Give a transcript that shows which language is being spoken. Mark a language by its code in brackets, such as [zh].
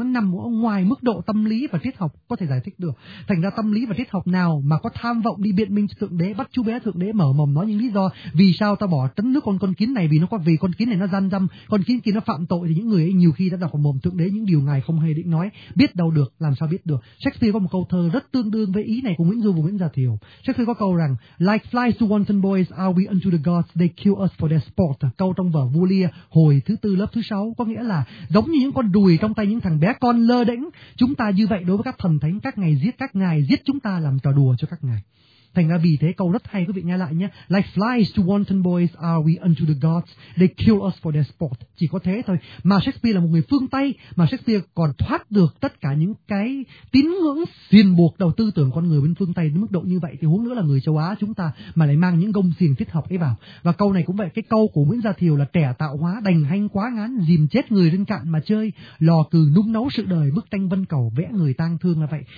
[vi] Nó nằm ở ngoài mức độ tâm lý và triết học có thể giải thích được. Thành ra tâm lý và triết học nào mà có tham vọng đi biện minh cho Thượng Đế, bắt chú bé Thượng Đế mở mồm nói những lý do vì sao ta bỏ tấn nước con kiến này, vì nó có, vì con kiến này nó gian dâm, con kiến kia nó phạm tội, thì những người ấy nhiều khi đã đọc vào mồm Thượng Đế những điều ngài không hề định nói. Biết đâu được, làm sao biết được. Shakespeare có một câu thơ rất tương đương với ý này của Nguyễn Du và Nguyễn Gia Thiều. [en] Shakespeare [vi] có câu rằng [en] like flies to wanton boys are we unto the gods, they kill us for their sport. [vi] Câu trong vở Vua Lear hồi thứ tư lớp thứ sáu, có nghĩa là giống như những con đùi trong tay những thằng bé con lơ đễnh, chúng ta như vậy đối với các thần thánh, các ngài giết, các ngài giết chúng ta làm trò đùa cho các ngài. Thành ra vì thế câu rất hay, quý vị nghe lại nhé. [en] Like flies to wanton boys are we unto the gods, they kill us for their sport. [vi] Chỉ có thế thôi. Mà Shakespeare là một người phương Tây, mà Shakespeare còn thoát được tất cả những cái tín ngưỡng xiềng buộc đầu tư tưởng con người bên phương Tây đến mức độ như vậy, thì huống nữa là người châu Á chúng ta mà lại mang những gông xiềng triết học ấy vào. Và câu này cũng vậy, cái câu của Nguyễn Gia Thiều là trẻ tạo hóa, đành hanh quá ngán, dìm chết người lên cạn mà chơi, lò cừ núng nấu sự đời, bức tranh vân cầu vẽ người tang thương là vậy.